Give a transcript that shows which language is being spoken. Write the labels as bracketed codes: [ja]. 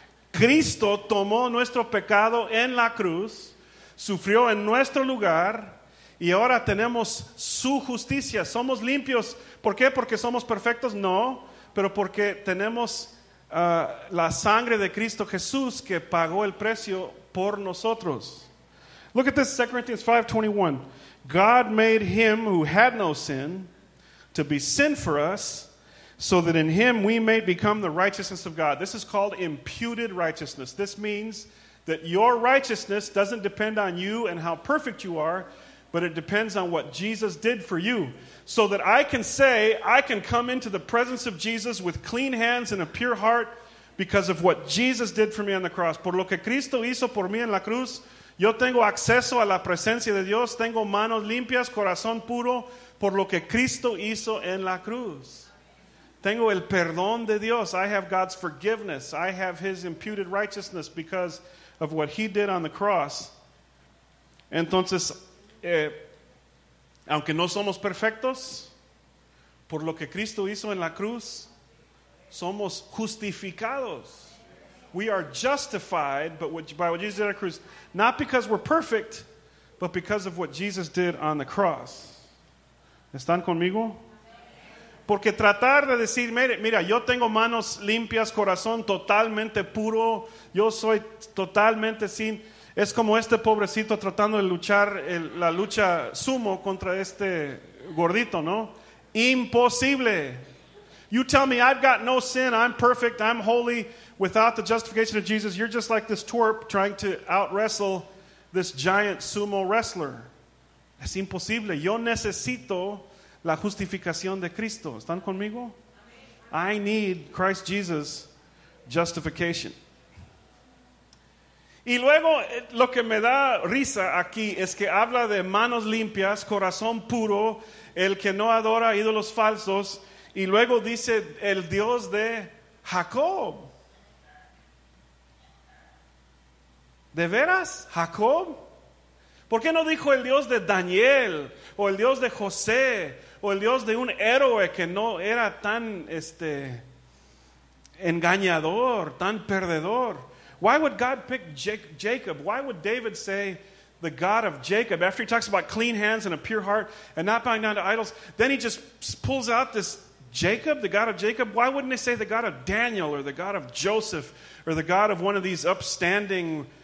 [es] Cristo tomó nuestro pecado en la cruz, sufrió en nuestro lugar y ahora tenemos su justicia. Somos limpios. ¿Por qué? ¿Porque somos perfectos? No, pero porque tenemos la sangre de Cristo Jesús que pagó el precio por nosotros. [en] Look at this, 2 Corinthians 5:21. God made him who had no sin to be sin for us, so that in him we may become the righteousness of God. This is called imputed righteousness. This means that your righteousness doesn't depend on you and how perfect you are, but it depends on what Jesus did for you. So that I can say, I can come into the presence of Jesus with clean hands and a pure heart because of what Jesus did for me on the cross. [es] Por lo que Cristo hizo por mí en la cruz, yo tengo acceso a la presencia de Dios, tengo manos limpias, corazón puro, por lo que Cristo hizo en la cruz. Tengo el perdón de Dios. [en] I have God's forgiveness. I have his imputed righteousness because of what he did on the cross. [es] Entonces, aunque no somos perfectos, por lo que Cristo hizo en la cruz, somos justificados. [en] We are justified by what Jesus did on the cross. Not because we're perfect, but because of what Jesus did on the cross. [es] ¿Están conmigo? Porque tratar de decir, mira, yo tengo manos limpias, corazón totalmente puro, yo soy totalmente sin, es como este pobrecito tratando de luchar la lucha sumo contra este gordito, ¿no? Imposible. [en] You tell me, I've got no sin, I'm perfect, I'm holy, without the justification of Jesus, you're just like this twerp trying to out-wrestle this giant sumo wrestler. [es] Es imposible. Yo necesito la justificación de Cristo. ¿Están conmigo? [en] I need Christ Jesus justification. [es] Y luego, lo que me da risa aquí es que habla de manos limpias, corazón puro, el que no adora ídolos falsos, y luego dice el Dios de Jacob. ¿De veras? ¿Jacob? ¿Por qué no dijo el Dios de Daniel, o el Dios de José, o el Dios de un héroe que no era tan engañador, tan perdedor? [en] Why would God pick Jacob? Why would David say the God of Jacob? After he talks about clean hands and a pure heart and not bowing down to idols, then he just pulls out this Jacob, the God of Jacob. Why wouldn't they say the God of Daniel or the God of Joseph or the God of one of these upstanding?